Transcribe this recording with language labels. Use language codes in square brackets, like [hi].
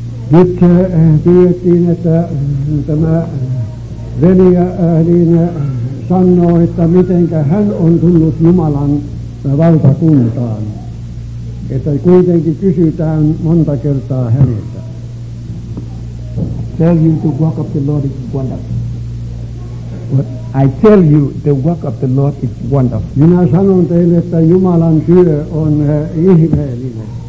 [fi] Nyt pyydettiin, että tämä veli niin sanoo, että mitenkä hän on tullut Jumalan valtakuntaan. Että kuitenkin kysytään monta kertaa häneltä. [en] Tell you the work of the Lord is wonderful. What? I tell you the work of the Lord is wonderful. [fi] Minä sanon teille, että Jumalan työ on ihmeellinen.